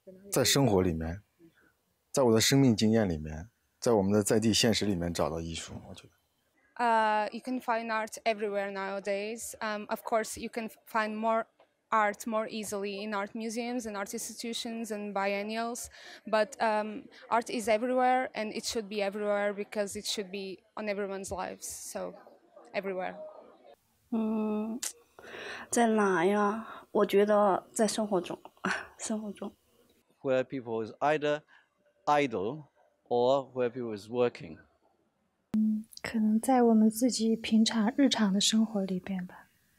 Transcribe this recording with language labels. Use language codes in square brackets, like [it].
[zh] 在生活里面，在我的生命经验里面，在我们的在地现实里面找到艺术，我觉得。 [en] You can find art everywhere nowadays. Of course, you can find more art more easily in art museums and art institutions and biennials, but art is everywhere and it should be everywhere because it should be on everyone's lives, so everywhere. [zh] 在哪呀？我觉得在生活中，生活中。 [en] Where people is either idle or where people is working. [zh] 可能在我们自己平常日常的生活里边吧。